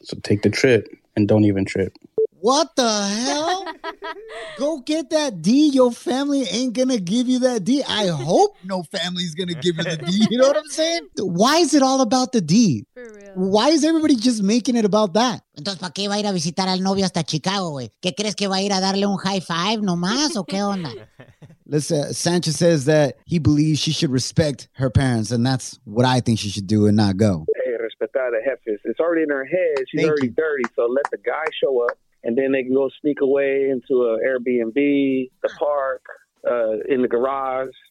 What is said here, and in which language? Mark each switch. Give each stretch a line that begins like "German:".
English: So take the trip and don't even trip. What the hell? Go get that D. Your family ain't gonna give you that D. I hope no family's gonna give you the D. You know what I'm saying? Why is it all about the D? For real. Why is everybody just making it about that?
Spanish: Entonces, ¿para qué va a ir a visitar al novio hasta Chicago, güey? ¿Qué crees que va a ir a darle un high five nomás o qué onda?
English: Listen, Sanchez says that he believes she should respect her parents, and that's what I think she should do and not go. Hey,
Spanish: respetar a jefes.
English: It's already in her head. She's Thank already you. Dirty, so let the guy show up, and then they can go sneak away into an Airbnb, the park, in the garage.